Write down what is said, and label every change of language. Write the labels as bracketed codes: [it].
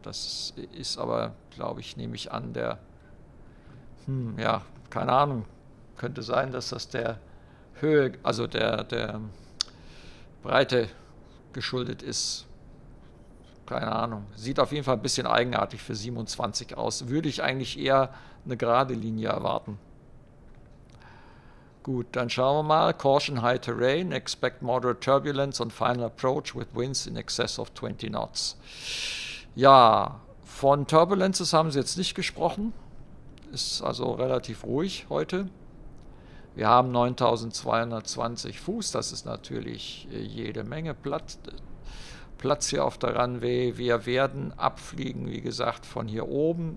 [de] Das ist aber, glaube ich, nehme ich an, der, ja, keine Ahnung, könnte sein, dass das der Höhe, also der Breite geschuldet ist. Keine Ahnung, sieht auf jeden Fall ein bisschen eigenartig für 27 aus. Würde ich eigentlich eher eine gerade Linie erwarten. Gut, dann schauen wir mal. [en] Caution high terrain, expect moderate turbulence on final approach with winds in excess of 20 knots. [de] Ja, von Turbulences haben sie jetzt nicht gesprochen. Ist also relativ ruhig heute. Wir haben 9220 Fuß, das ist natürlich jede Menge Platz hier auf der Runway. Wir werden abfliegen, wie gesagt, von hier oben.